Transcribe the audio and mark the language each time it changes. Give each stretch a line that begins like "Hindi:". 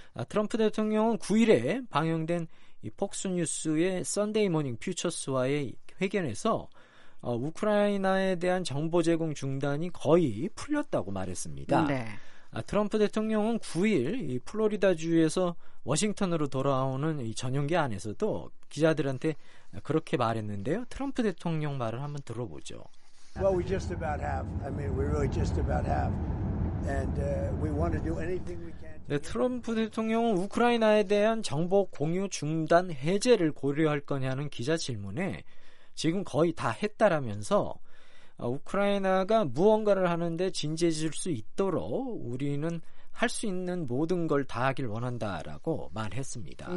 Korean: 트럼프 대통령은 9일에 방영된 이 폭스 뉴스의 선데이 모닝 퓨처스와의 회견에서 우크라이나에 대한 정보 제공 중단이 거의 풀렸다고 말했습니다. 네. 트럼프 대통령은 9일 이 플로리다주에서 워싱턴으로 돌아오는 이 전용기 안에서도 기자들한테 그렇게 말했는데요. 트럼프 대통령 말을 한번 들어보죠.
English: Well, we just about have. I mean, we really just about have. And we want to do anything we can.
Korean: 네, 트럼프 대통령은 우크라이나에 대한 정보 공유 중단 해제를 고려할 거냐는 기자 질문에 지금 거의 다 했다라면서 우크라이나가 무언가를 하는데 진지해질 수 있도록 우리는 할 수 있는 모든 걸 다하길 원한다라고 말했습니다.